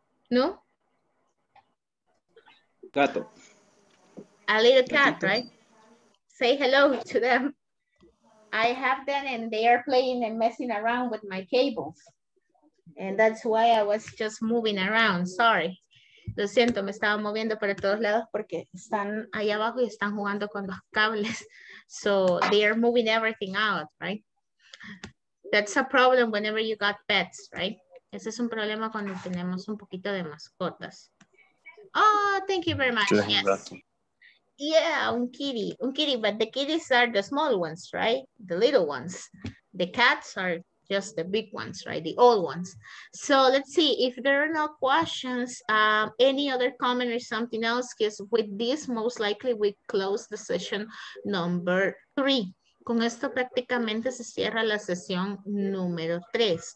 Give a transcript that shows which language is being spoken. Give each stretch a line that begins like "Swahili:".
Spanish: ¿No? Gato.
English: A little cat, gatito. Right? Say hello to them. I have them and they are playing and messing around with my cables. And that's why I was just moving around. Sorry.
Spanish: Lo siento, me estaba moviendo para todos lados porque están ahí abajo y están jugando con los cables.
English: So they are moving everything out, right? That's a problem whenever you got pets, right?
Spanish: Ese es un problema cuando tenemos un poquito de mascotas.
English: Oh, thank you very much. Yes. Yeah, un kitty, but the kitties are the small ones, right? The little ones. The cats are just the big ones, right? The old ones. So let's see if there are no questions, any other comment or something else, because with this, most likely we close the session number 3.
Spanish: Con esto prácticamente se cierra la sesión número 3.